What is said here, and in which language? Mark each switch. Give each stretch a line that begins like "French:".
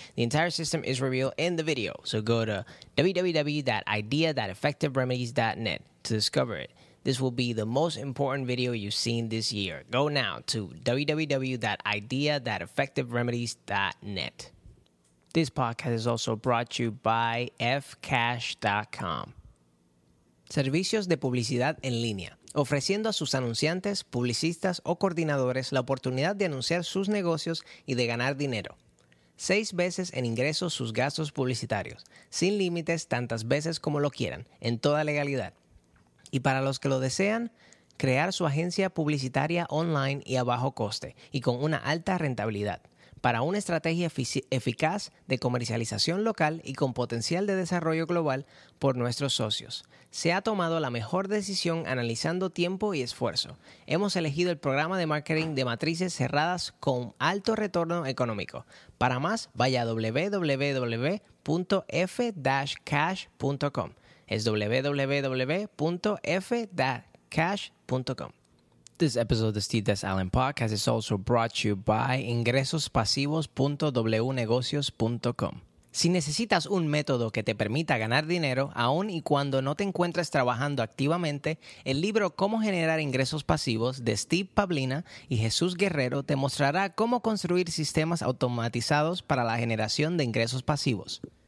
English: The entire system is revealed in the video. So go to www.idea.effectiveremedies.net to discover it. This will be the most important video you've seen this year. Go now to www.idea.effectiveremedies.net. This podcast is also brought to you by fcash.com.
Spanish: Servicios de publicidad en línea, ofreciendo a sus anunciantes, publicistas o coordinadores la oportunidad de anunciar sus negocios y de ganar dinero. 6 veces en ingresos sus gastos publicitarios, sin límites tantas veces como lo quieran, en toda legalidad. Y para los que lo desean, crear su agencia publicitaria online y a bajo coste y con una alta rentabilidad para una estrategia eficaz de comercialización local y con potencial de desarrollo global por nuestros socios. Se ha tomado la mejor decisión analizando tiempo y esfuerzo. Hemos elegido el programa de marketing de matrices cerradas con alto retorno económico. Para más, vaya a www.f-cash.com. Es www.f-cash.com.
English: This episode of the Steve Des Island Podcast is also brought to you by ingresospasivos.wnegocios.com.
Spanish: Si necesitas un método que te permita ganar dinero, aun y cuando no te encuentres trabajando activamente, el libro Cómo Generar Ingresos Pasivos de Steve Pavlina y Jesús Guerrero te mostrará cómo construir sistemas automatizados para la generación de ingresos pasivos.